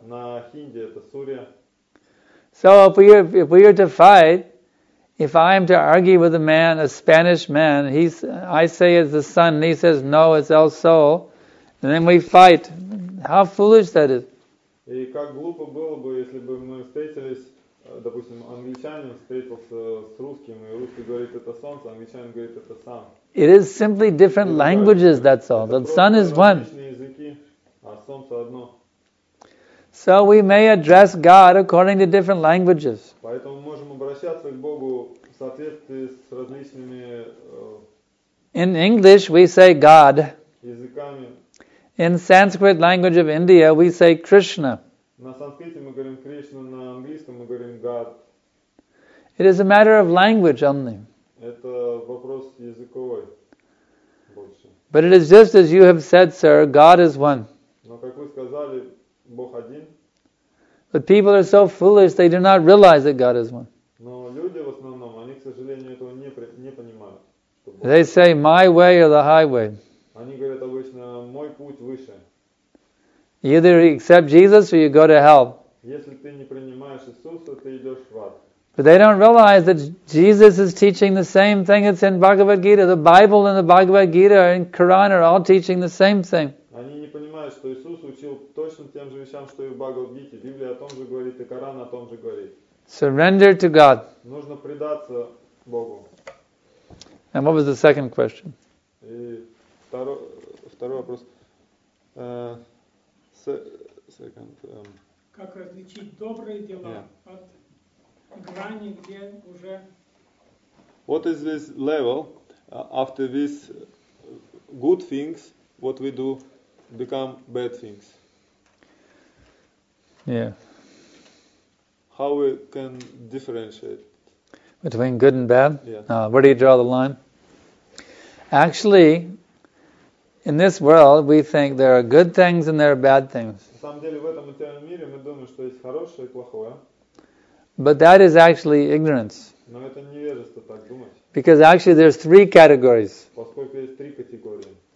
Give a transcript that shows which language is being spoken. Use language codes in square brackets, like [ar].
[en] So if we are to fight, if I am to argue with a man, a Spanish man, I say it's the sun, and he says, no, it's El Sol, and then we fight. How foolish that is. [ru] И как глупо было бы, если бы мы встретились, допустим, англичанин встретился с русским, и русский говорит, это солнце, англичанин говорит, это сам. [en] It is simply different languages, that's all. The sun is one. [ru] Языки, а солнце одно. [en] So we may address God according to different languages. [ru] Поэтому можем обращаться к Богу в соответствии с различными. [en] In English we say God. [ru] Языками. [en] In Sanskrit language of India we say Krishna. [ru] На санскрите мы говорим Кришна, на английском мы говорим God. [en] It is a matter of language only. [ru] Это вопрос языковой больше. [en] But it is just as you have said, sir, God is one. [ru] Но как вы сказали, Бог один. [en] But people are so foolish they do not realize that God is one. [ru] Но люди в основном, они, к сожалению, этого не понимают. [en] They say my way or the highway. [ru] Они говорят обычно, мой путь выше. [en] Either you accept Jesus or you go to hell. [ru] Если ты не принимаешь Иисуса, ты идешь в ад. [en] But they don't realize that Jesus is teaching the same thing that's in Bhagavad Gita. The Bible and the Bhagavad Gita and Quran are all teaching the same thing. [ru] Они не понимают, что Иисус учил точно тем же вещам, что и в Бхагавад Гите. Библия о том же говорит, и Коран о том же говорит. [en] Surrender to God. [ru] Нужно предаться Богу. [en] And what was the second question? [ru] И второй вопрос. [en] Second. [ru] Как различить добрые дела от грани, где уже. [en] What is this level after these good things? What we do become bad things? Yeah. How we can differentiate between good and bad? Yeah. Where do you draw the line? Actually, in this world, we think there are good things and there are bad things. На самом деле, в этом материальном мире мы думаем, что есть хорошее и плохое. But that is actually ignorance. Но это невежество, так думать. Because actually there's three categories. Поскольку есть три категории.